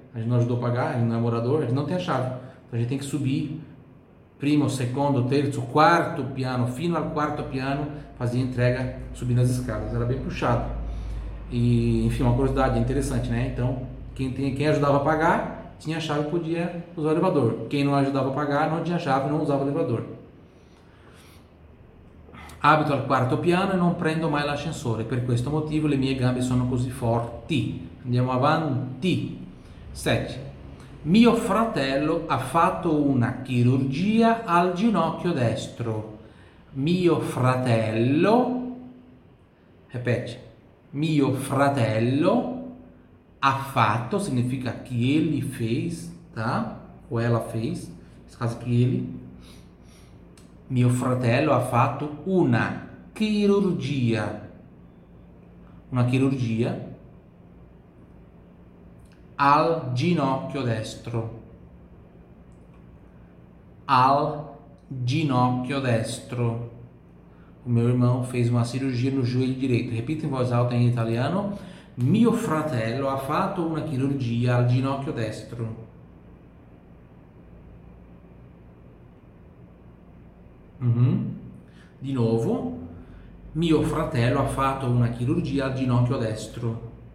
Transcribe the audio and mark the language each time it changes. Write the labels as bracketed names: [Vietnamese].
[Portuguese] A gente não ajudou a pagar, a gente não é morador, a gente não tem a chave. Então, a gente tem que subir primo, segundo, terço, quarto piano, fino ao quarto piano, fazia entrega subindo as escadas, era bem puxado. E, enfim, uma curiosidade interessante, né? Então, quem ajudava a pagar, tinha chave e podia usar o elevador. Quem não ajudava a pagar, não tinha chave e não usava o elevador. [Italian] Abito al quarto piano e non prendo mai l'ascensore. Per questo motivo le mie gambe sono così forti. Andiamo avanti. 7. Mio fratello ha fatto una chirurgia al ginocchio destro. Mio fratello, ripeti, mio fratello ha fatto, [Portuguese] significa che ele fez, [Italian] tá? [Portuguese] O ela fez, nesse caso che ele. [Italian] Mio fratello ha fatto una chirurgia. Una chirurgia. Al ginocchio destro. Al ginocchio destro. [Portuguese] O meu irmão fez uma cirurgia no joelho direito. Repita em voz alta em italiano. [Italian] Mio fratello ha fatto una chirurgia al ginocchio destro. Uhum. Di nuovo. Mio fratello ha fatto una chirurgia al ginocchio destro.